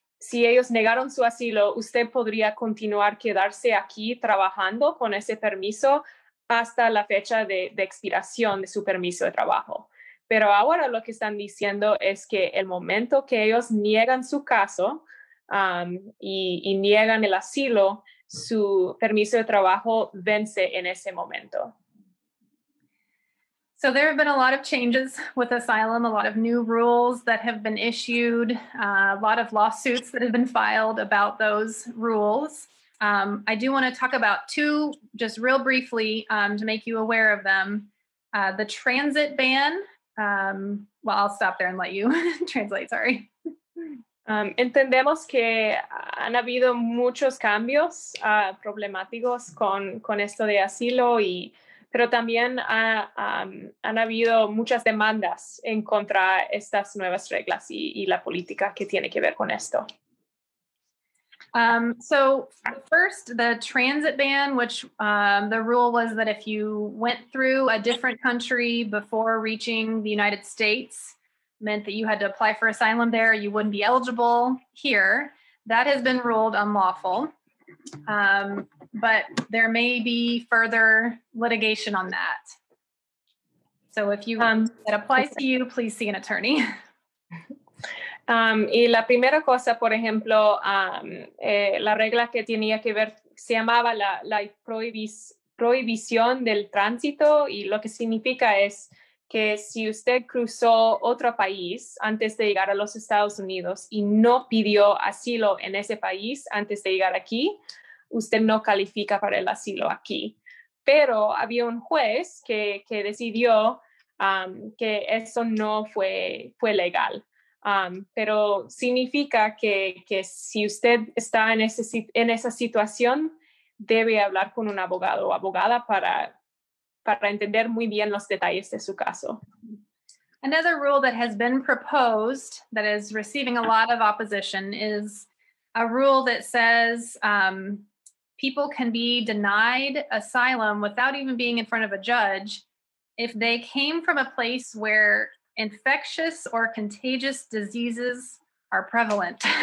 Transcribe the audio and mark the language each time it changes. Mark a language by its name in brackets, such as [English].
[Spanish] ellos negaron su asilo, usted podría continuar quedarse aquí trabajando con ese permiso hasta la fecha de expiración de su permiso de trabajo. Pero ahora lo que están diciendo es que el momento que ellos niegan su caso y niegan el asilo, su permiso de trabajo vence en ese momento. [English] So there have been a lot of changes with asylum, a lot of new rules that have been issued, a lot of lawsuits that have been filed about those rules. I do want to talk about two just real briefly to make you aware of them. The transit ban. Well, I'll stop there and let you translate, sorry. [Spanish] Entendemos que han habido muchos cambios problemáticos con esto de asilo y pero también han habido muchas demandas en contra estas nuevas reglas y la política que tiene que ver con esto. [English] So first, the transit ban, which the rule was that if you went through a different country before reaching the United States, meant that you had to apply for asylum there, you wouldn't be eligible here. That has been ruled unlawful. But there may be further litigation on that. So if you that applies to you, please see an attorney. [Spanish] Y la primera cosa, por ejemplo, la regla que tenía que ver, se llamaba la prohibición del tránsito, y lo que significa es que si usted cruzó otro país antes de llegar a los Estados Unidos y no pidió asilo en ese país antes de llegar aquí, usted no califica para el asilo aquí. Pero había un juez que decidió que eso no fue legal. Pero significa que si usted está en esa situación, debe hablar con un abogado o abogada para entender muy bien los detalles de su caso. [English] Another rule that has been proposed that is receiving a lot of opposition is a rule that says people can be denied asylum without even being in front of a judge if they came from a place where infectious or contagious diseases are prevalent.